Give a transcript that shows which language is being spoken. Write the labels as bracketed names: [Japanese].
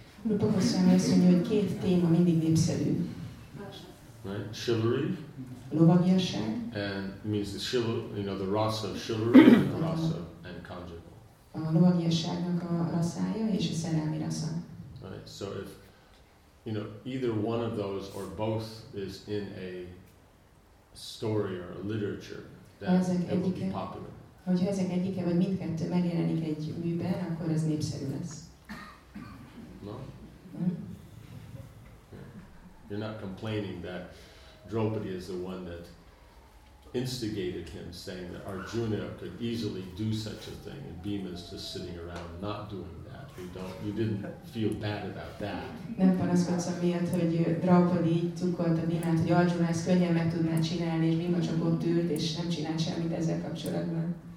[English] Rupa Goswami mentions that [Hungarian] két téma mindig népszerű. [English] Right, chivalry. [Hungarian] Lovagiasság. [English] And means the chivalry, you know, the rasa of chivalry, and the rasa of, and conjugal. [Hungarian] A lovagiasságnak a rasája és a szerelmi rasa. [English] Right, so if you know either one of those or both is in a story or a literature, then it will be popular. [Hungarian] Hogyha ezek egyike vagy mindkettő megjelenik egy műben, akkor ez népszerű lesz. [English] No. You're not complaining that Draupadi is the one that instigated him, saying that Arjuna could easily do such a thing, and Bhima is just sitting around not doing that. You didn't feel bad about that. [Hungarian] Nem panaszkodsz amiatt, hogy Draupadi tukolta Bhimát, hogy Arjuna ezt könnyen meg tudná csinálni, és Bhima csak ott ült, és nem csinált semmit ezzel kapcsolatban.